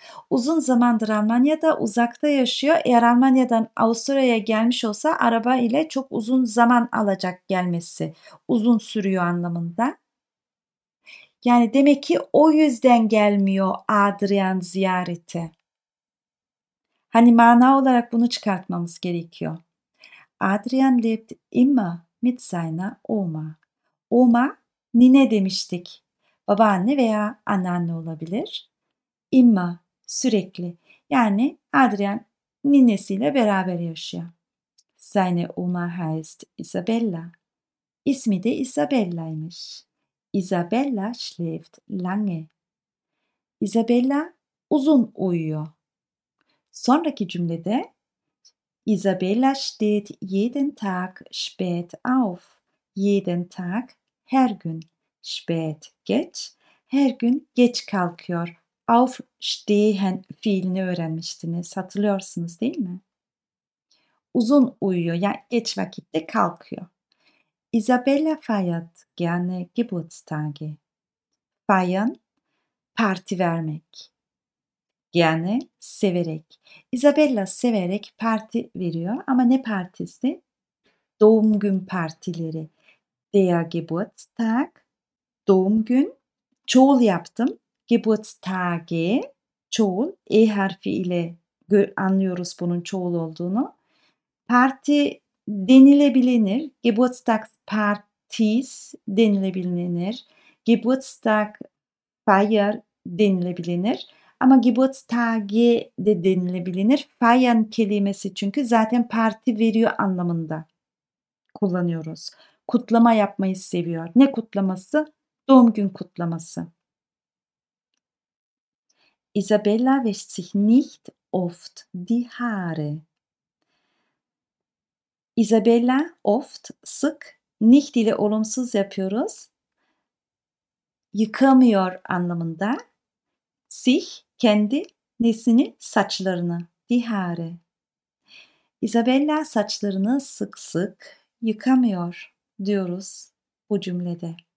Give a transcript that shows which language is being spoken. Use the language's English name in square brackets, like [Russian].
[Turkish] Uzun zamandır Almanya'da, uzakta yaşıyor. Eğer Almanya'dan Avusturya'ya gelmiş olsa araba ile çok uzun zaman alacak gelmesi. Uzun sürüyor anlamında. Yani demek ki o yüzden gelmiyor Adrian ziyarete. Hani mana olarak bunu çıkartmamız gerekiyor. [German] Adrian lebt immer mit seiner Oma. [Turkish] Oma, nine demiştik. Babaanne veya anneanne olabilir. Immer, sürekli. Yani Adrian ninesiyle beraber yaşıyor. [German] Seine Oma heißt Isabella. [Turkish] İsmi de Isabella'ymış. [German] Isabella schläft lange. [Turkish] Isabella uzun uyuyor. Sonraki cümlede [German] Isabella steht jeden Tag spät auf. [Turkish] Jeden Tag, her gün. Spät, geç. Her gün geç kalkıyor. Aufstehen fiilini öğrenmiştiniz. Hatırlıyorsunuz değil mi? Uzun uyuyor. Yani geç vakitte kalkıyor. [German] Isabella feiert gerne Geburtstage. [Turkish] Feiern, parti vermek. Gerne, severek. Isabella severek parti veriyor. Ama ne partisi? Doğum gün partileri. Der Geburtstag, doğum gün. Çoğul yaptım. Geburtstage, çoğul, E harfi ile anlıyoruz bunun çoğul olduğunu. Parti denilebilir, Geburtstagspartys denilebilir, Geburtstagfeier denilebilir. Ama Geburtstage de denilebilir, feiern kelimesi çünkü zaten parti veriyor anlamında kullanıyoruz. Kutlama yapmayı seviyor. Ne kutlaması? Doğum gün kutlaması. [German] Isabella wäscht sich nicht oft die Haare. [Turkish] Isabella oft, sık, nicht ile olumsuz yapıyoruz. Yıkamıyor anlamında. Sich, kendi, nesini, saçlarını, die Haare. Isabella saçlarını sık sık yıkamıyor diyoruz bu cümlede.